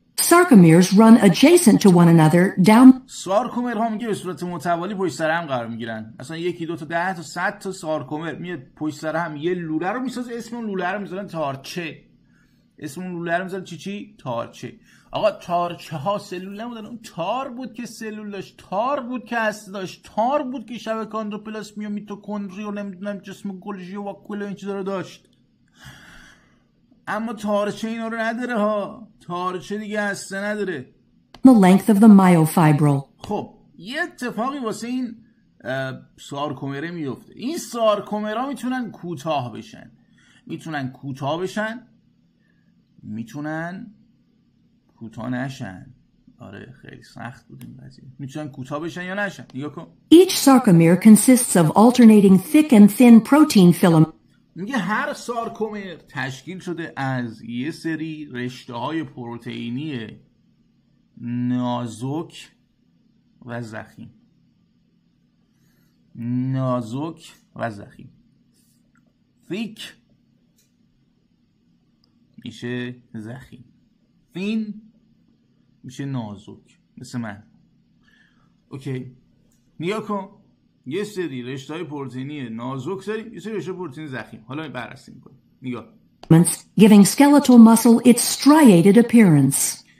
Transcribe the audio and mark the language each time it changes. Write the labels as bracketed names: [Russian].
[English] Sarcomeres run adjacent to one another down. [Persian] Sarcomere ها میگه به صورت متوالی پشت سر هم قرار میگیرن. مثلا یکی دو تا 10 تا 100 تا سارکومر میاد پشت سر هم، یه لوله رو میسازه. اسم اون لوله رو میذارن تارچه. اسم اون لوله رو میذارن چی؟ تارچه. آقا تارچه ها سلول نبودن، اون تار بود که سلول داشت، تار بود که هست داشت، تار بود که شبکه اندوپلاسمی و میتوکندری و نمیدونم جسم گلژی و کل این چیزا رو داشت. اما تارچه اینا رو نداره ها، تارچه دیگه هسته نداره. [English] The length of the myofibril. [Persian] خب یه اتفاقی واسه این سارکومره میفته. این سارکومرها میتونن کوتاه بشن، میتونن کوتاه بشن، میتونن کوتاه نشن. آره خیلی سخت بود این قضیه. میتونن کوتاه بشن یا نشن. دیگه کن. [English] Each sarcomere consists of alternating thick and thin protein filament. [Persian] میگه هر سارکومر تشکیل شده از یه سری رشته های پروتئینی نازک و ضخیم. نازک و ضخیم. Thick میشه ضخیم. Thin میشه نازک. مثل من. اوکی. نیا کن. یه سری رشته های پروتئینی نازک داری، یه سری رشته پروتئین ضخیم. حالا بررسی میکنیم. نگاه. [English] giving skeletal muscle its striated appearance.